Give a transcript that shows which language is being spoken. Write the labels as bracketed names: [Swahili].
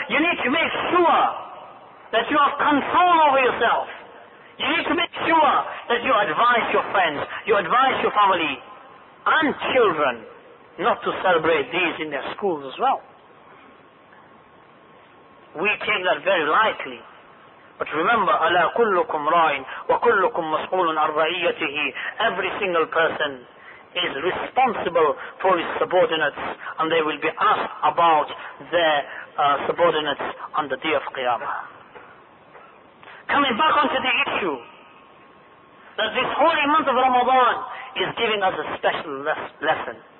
[English] You need to make sure that you have control over yourself. You need to make sure that you advise your friends, you advise your family and children not to celebrate these in their schools as well. We take that very lightly. But remember, [Arabic] أَلَا كُلُّكُمْ رَائِنْ وَكُلُّكُمْ مَسْئُولٌ عَنْ رَعِيَّتِهِ. [English] Every single person is responsible for his subordinates, and they will be asked about their subordinates on the Day of Qiyamah. Coming back onto the issue, that this holy month of Ramadan is giving us a special lesson.